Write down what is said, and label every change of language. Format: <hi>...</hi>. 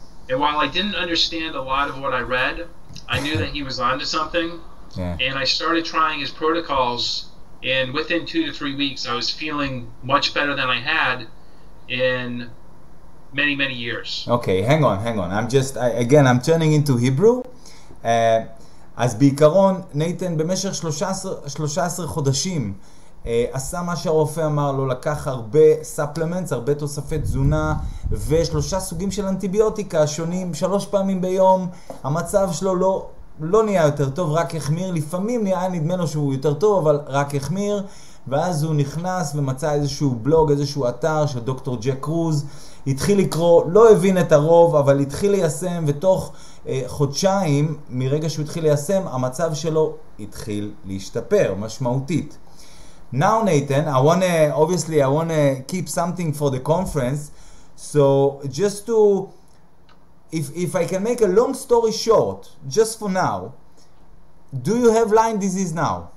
<en>And while I didn't understand a lot of what I read, I knew that he was onto something. Yeah. And I started trying his protocols, and within 2-3 weeks, I was feeling much better than I had in many, many years. Okay, hang on. I'm turning into Hebrew.</en> <he>אז בעיקרון, נייתן, במשך 13 חודשים, עשה מה שהרופא אמר לו, לקח הרבה</he> <en>supplements,</en> <he>הרבה תוספי תזונה, ושלושה סוגים של אנטיביוטיקה שונים, 3 פעמים ביום. המצב שלו לא נהיה יותר טוב, רק החמיר. לפעמים נדמה לו שהוא יותר טוב, אבל רק החמיר. ואז הוא נכנס ומצא איזשהו בלוג, איזשהו אתר של דוקטור ג'ק קרוז, התחיל לקרוא, לא הבין את הרוב, אבל התחיל ליישם, ותוך חודשיים, מרגע שהוא התחיל ליישם, המצב שלו התחיל להשתפר, משמעותית.</he> <en>Now, Nathan, I want to keep something for the conference. So just to, if I can make a long story short, just for now, do you have Lyme disease now?</en>